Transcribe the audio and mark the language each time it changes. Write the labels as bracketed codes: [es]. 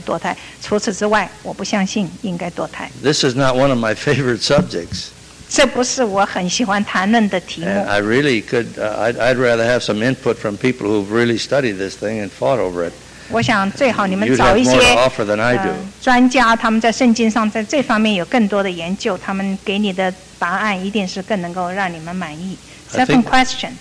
[zh] 我只认为若是生这个孩子影响到妈妈的生命的时候，我是觉得这样的情形是应该堕胎。除此之外，我不相信应该堕胎。 [en] This is not one of my favorite subjects. [zh] 这不是我很喜欢谈论的题目。 [en] And I really could, I'd rather have some input from people who've really studied this thing and fought over it. [zh] 我想最好你们找一些专家，他们在圣经上在这方面有更多的研究，他们给你的答案一定是更能够让你们满意。 [en] Second question.